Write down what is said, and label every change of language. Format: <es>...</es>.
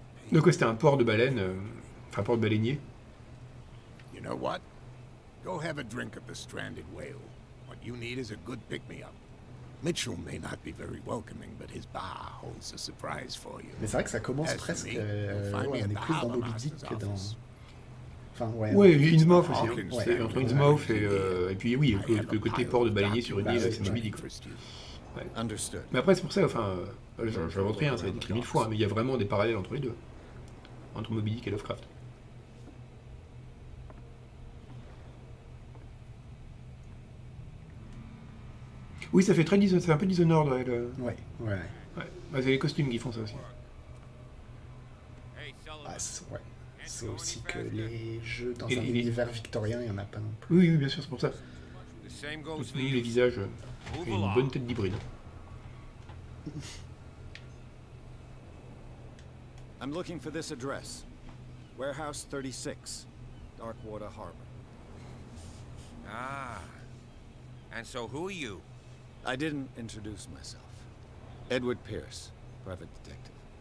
<fr>Donc, ouais, c'était un port de baleine, enfin, un port de baleinier.</fr> <en>You know what? Go have a drink of the stranded whale. What you need is a good pick-me-up. Mitchell may not be very welcoming, but his bar holds a surprise for you.</en> <fr>Mais c'est vrai que ça commence presque. On est plus dans Moby Dick que dans. Enfin, ouais. Ouais, Innsmouth aussi. C'est entre Innsmouth et puis oui, le côté port de baleinier sur une île, c'est Moby Dick.</fr> <en>Understood.</en> <fr>Mais après, c'est pour ça, enfin, je ne rentre rien, ça a été écrit mille fois, mais il y a vraiment des parallèles entre les deux, entre Moby Dick et Lovecraft. Oui, ça fait très Dishonored, c'est un peu Dishonored. Ouais, le... ouais, ouais. Ouais. Bah, c'est les costumes qui font ça aussi. Ouais. C'est aussi que les jeux dans un univers victorien, il n'y en a pas non plus. Oui, oui, bien sûr, c'est pour ça. Oui, les visages, j'ai une bonne tête d'hybride.</fr> <en>I'm looking for this address. Warehouse 36, Darkwater Harbor. Ah. And so who are you? I didn't introduce myself. Edward Pierce, private detective.</en>